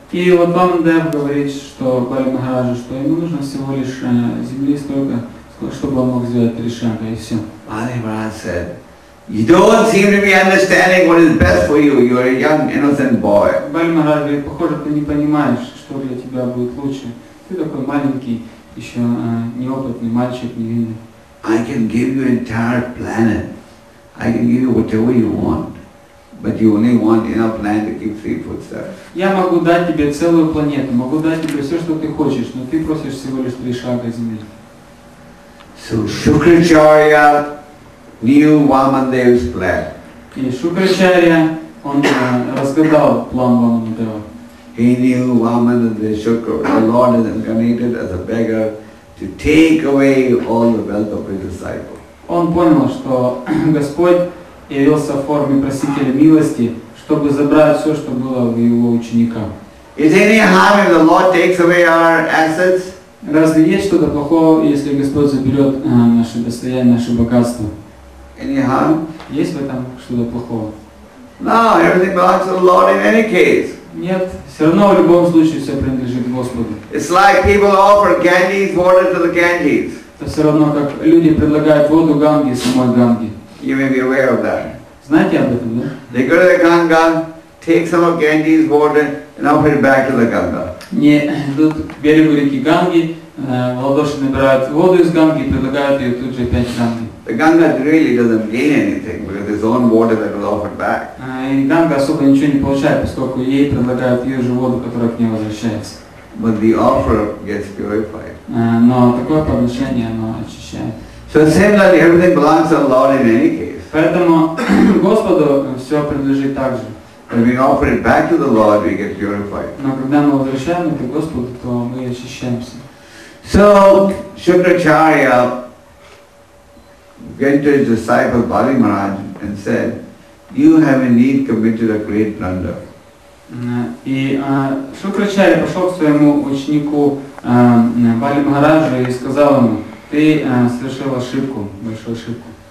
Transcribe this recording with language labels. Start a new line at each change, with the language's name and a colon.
Russian: И вот Бхаман Дев говорит, что Бали Махараджу, что ему нужно всего лишь земли столько, чтобы он мог сделать три шага, и все.
English: Бали Махарадж said, you don't seem to be understanding what is best for you. You are a young, innocent boy.
Russian: Бали Махарадж говорит, похоже, ты не понимаешь, что для тебя будет лучше. Ты такой маленький, еще неопытный мальчик, невинный.
English: I can give you entire planet. I can give you whatever you want. But you only want enough land to keep three footsteps.
Russian: Я могу дать тебе целую планету, могу дать тебе все, что ты хочешь, но ты просишь всего лишь три шага земли.
English: So Shukracharya knew Vamandev's plan.
Russian: И Шукрачарья, он разгадал план Вамандева.
English: He knew Vamandev, the Lord is incarnated as a beggar to take away all the wealth of his disciple.
Russian: Он понял, что Господь явился в форме просителя милости, чтобы забрать все, что было в его учениках.
English: Is any harm if the Lord takes away our assets?
Russian: Разве есть что-то плохого, если Господь заберет наше достояние, наше богатство?
English: Any harm?
Russian: Есть в этом что-то плохого?
English: No, everything belongs to the Lord in any case.
Russian: Нет, все равно в любом случае все принадлежит Господу.
English: It's like people offer Ganges water to the Ganges.
Russian: Это все равно как люди предлагают воду Ганге самой Ганге.
English: You may be aware of that.
Russian: Знаете об этом, да?
English: They go to the Ganga, take some of Ganges water, and offer it back to the Ganga.
Russian: Не, идут к берегу реки Ганги, в ладоши набирают воду из Ганги и предлагают ее тут же опять Ганге.
English: The Ganga really doesn't gain anything because it's own water that was offered back.
Russian: И Ганга особо ничего не получает, поскольку ей предлагают ее же воду, которая к ней возвращается.
English: But the offer gets purified.
Russian: Но такое подношение оно очищает.
English: So similarly, everything belongs to the Lord in any case.
Russian: Поэтому Господу все принадлежит также.
English: When we offer it back to the Lord, we get purified.
Russian: Но когда мы возвращаем это Господу, то мы очищаемся.
English: So Shukracharya went to his disciple Bali Maharaj and said, "You have indeed committed a great blunder."
Russian: И Шукрачарья пошел к своему ученику Бали Махараджу и сказал ему. Ты совершил ошибку, большую ошибку.